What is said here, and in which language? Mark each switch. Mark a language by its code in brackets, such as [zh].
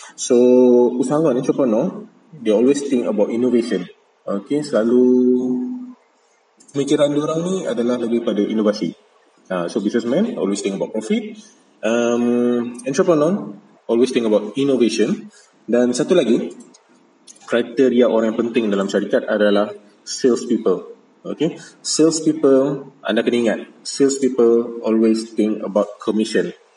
[en] So, usahawan entrepreneur, they always think about innovation. [ms] Okay, selalu pemikiran diorang ni adalah lebih pada inovasi. [en] So, businessman always think about profit. Entrepreneur always think about innovation. [ms] Dan satu lagi, kriteria orang yang penting dalam syarikat adalah sales people. [en] Okay, sales people, [ms] anda kena ingat, [en] sales people always think about commission.